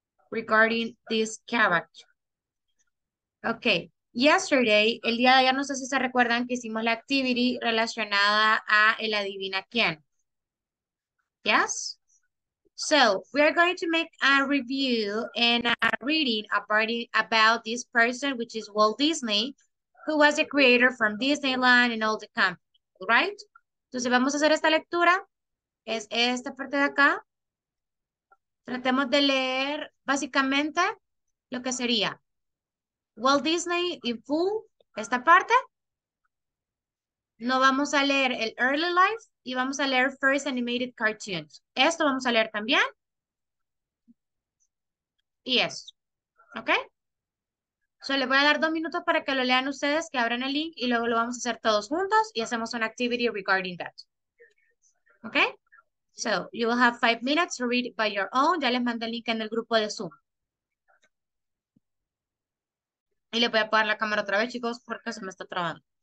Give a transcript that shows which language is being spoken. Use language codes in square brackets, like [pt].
[en] Regarding this character. Ok. Yesterday, [es] el día de ayer, no sé si se recuerdan que hicimos la activity relacionada a el adivina quién. [en] Yes? So, we are going to make a review and a reading about this person, which is Walt Disney, who was the creator from Disneyland and all the company, right? [es] Entonces, vamos a hacer esta lectura. Es esta parte de acá. Tratemos de leer básicamente lo que sería Walt Disney [en] in full, [es] esta parte. No vamos a leer el [en] early life [es] y vamos a leer [en] first animated cartoons. [es] Esto vamos a leer también. Y eso. ¿Ok? So, le voy a dar 2 minutos para que lo lean ustedes, que abran el link y luego lo vamos a hacer todos juntos y hacemos una activity [en] regarding that. [es] ¿Ok? [en] So, you will have 5 minutes to read it by your own. [es] Ya les mandé el link en el grupo de Zoom. Y le voy a apagar la cámara otra vez, chicos, porque se me está trabando.